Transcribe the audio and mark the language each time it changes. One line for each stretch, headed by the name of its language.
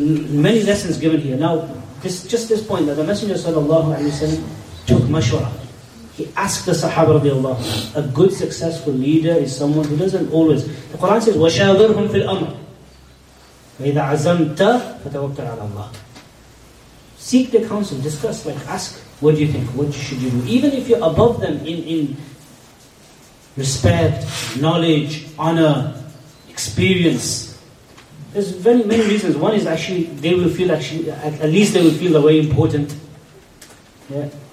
English: Many lessons given here. Now, this point that the Messenger sallallahu alaihi wasallam took mashwara. He asked the Sahaba radiallahu anhu, a good successful leader is someone who doesn't always. The Quran says,
Arabic: وَشَاغِرْهُمْ فِي الْأَمْرِ فَإِذَا عَزَمْتَ فَتَوَكَّلْ عَلَى اللَّهِ.
English: Seek the counsel, discuss, like ask, what do you think, what should you do? Even if you're above them in respect, knowledge, honor, experience. There's very many reasons. One is at least they will feel the way important. Yeah.